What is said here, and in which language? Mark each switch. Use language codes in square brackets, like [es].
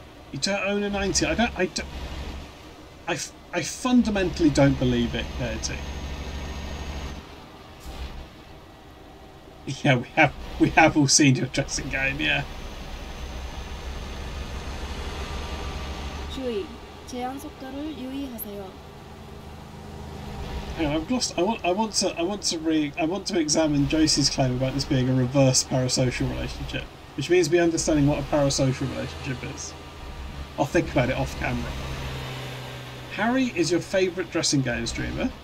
[en] You don't own a 90. I fundamentally don't believe it, Bertie. Yeah, we have all seen your dressing game, yeah. [ko] 주의, 제한 속도를 유의하세요. [en] Hang on, I've lost. I want to examine Josie's claim about this being a reverse parasocial relationship, which means me understanding what a parasocial relationship is. I'll think about it off camera. Harry is your favourite dressing game streamer.